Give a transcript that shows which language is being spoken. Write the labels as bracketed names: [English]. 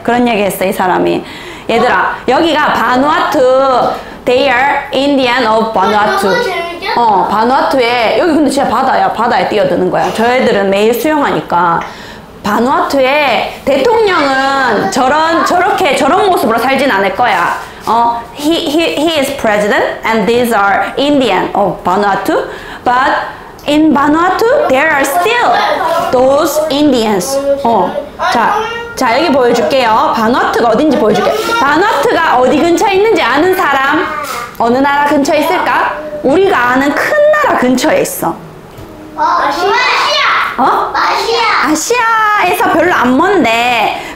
[Korean] 그런 얘기 했어 이 사람이. 얘들아 여기가 바누아투. [English] They are Indian of Vanuatu. [Korean] 바누아투에 여기 근데 진짜 바다야. 바다에 뛰어드는 거야. 저 애들은 매일 수영하니까. 바누아투의 대통령은 저렇게 모습으로 살진 않을 거야. [English] 어, he is president and these are Indian. [Korean] 어, 바누아투? [English] But in Vanuatu there are still those Indians. [Korean] 어. 자, 여기 보여 줄게요. 바누아투가 어딘지 보여 줄게. 바누아투가 어디 근처에 있는지 아는 사람? 어느 나라 근처에 있을까? 우리가 아는 큰 나라 근처에 있어. 아시아. 어? 아시아. 아시아에서 별로 안 먼데.